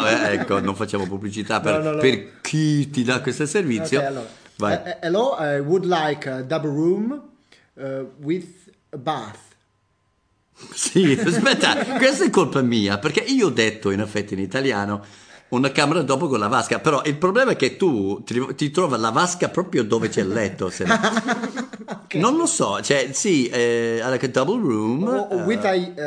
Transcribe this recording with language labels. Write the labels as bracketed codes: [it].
[it] ecco, non facciamo pubblicità per chi ti dà questo servizio. Okay, allora. Vai. [en] Hello, I would like a double room with a bath. [it] Sì, aspetta, questa è colpa mia, perché io ho detto in effetti in italiano... Una camera dopo con la vasca, però il problema è che tu ti trovi la vasca proprio dove c'è il letto, se no. Okay. Non lo so, cioè sì, [en] like a double room.